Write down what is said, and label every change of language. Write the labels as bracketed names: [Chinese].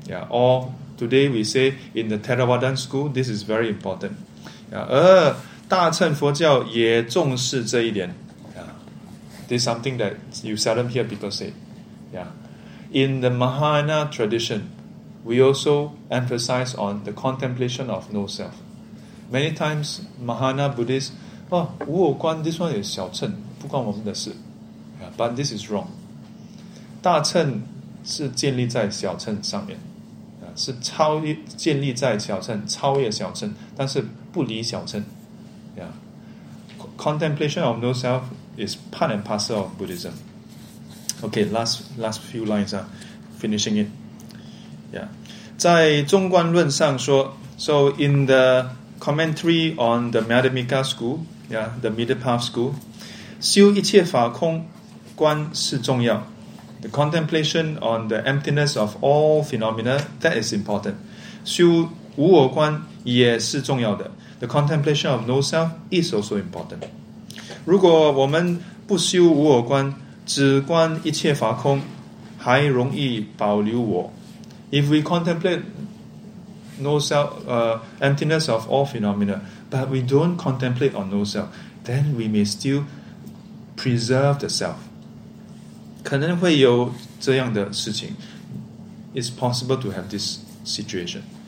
[English] Or today we say in the Theravadan school, this is very important. [Chinese] 而大乘佛教也重视这一点. [English] This is something that you seldom hear people say. In the Mahayana tradition, we also emphasize on the contemplation of no self. Many times, Mahayana Buddhists, 无我观, this one is 小乘, [Chinese] 不关我们的事. [English] But this is wrong. [Chinese] 大乘是建立在小乘上面.是建立在小乘, 超越小乘, 但是不离小乘. [English] Contemplation of no self is part and parcel of Buddhism. Okay, last few lines, finishing it. [Chinese] 在中观论上说, [English] so in the commentary on the Madhyamika school, the middle path school, [Chinese] 修一切法空观是重要. [English] The contemplation on the emptiness of all phenomena, that is important. [Chinese] 修无我观也是重要的. [English] The contemplation of no self is also important. [Chinese] 如果我们不修无我观, 只观一切法空, 还容易保留我. [English] If we contemplate no self, emptiness of all phenomena, but we don't contemplate on no self, then we may still preserve the self. [Chinese] 可能会有这样的事情. [English] It's possible to have this situation.